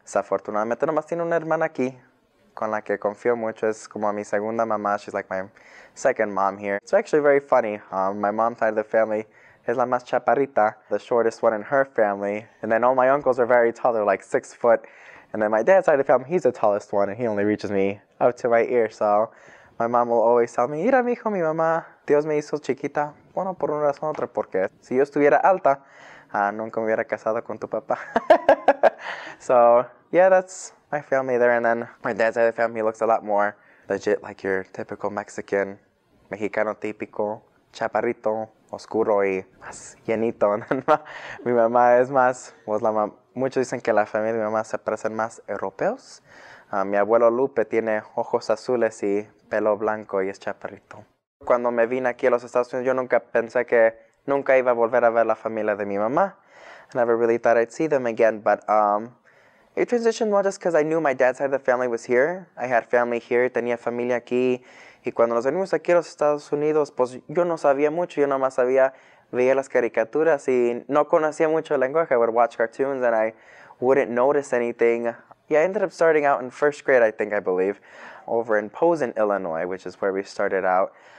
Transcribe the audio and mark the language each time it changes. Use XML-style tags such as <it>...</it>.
<es>Desafortunadamente, nomás tiene una hermana aquí, con la que confío mucho. Es como mi segunda mamá.</es> <en>She's like my second mom here. It's actually very funny. My mom's side of the family</en> <es>es la más chaparrita,</es> <en>the shortest one in her family. And then all my uncles are very tall. They're like 6 foot. And then my dad's side of the family, he's the tallest one, and he only reaches me up to my ear. So my mom will always tell me,</en> <es>mira, mijo, mi mamá, Dios me hizo chiquita. Bueno, por una razón u otra, porque si yo estuviera alta, nunca me hubiera casado con tu papá.</es> <en>So, yeah, that's my family there. And then my dad's side of the family looks a lot more legit, like your typical Mexican,</en> <es>Mexicano típico, chaparrito, oscuro y más llenito. Mi mamá es más, pues la muchos dicen que la familia de mi mamá se parecen más europeos. Mi abuelo Lupe tiene ojos azules y pelo blanco y es chaparrito. Cuando me vine aquí a los Estados Unidos, yo nunca pensé que nunca iba a volver a ver la familia de mi mamá.</es> <en>I never really thought I'd see them again, but it transitioned well just because I knew my dad's side of the family was here. I had family here,</en> <es>tenía familia aquí. Y cuando nos venimos aquí a los Estados Unidos, pues yo no sabía mucho. Yo nomás sabía, veía las caricaturas y no conocía mucho el lenguaje.</es> <en>I would watch cartoons and I wouldn't notice anything. Yeah, I ended up starting out in first grade, I think, I believe, over in Posen, Illinois, which is where we started out.</en>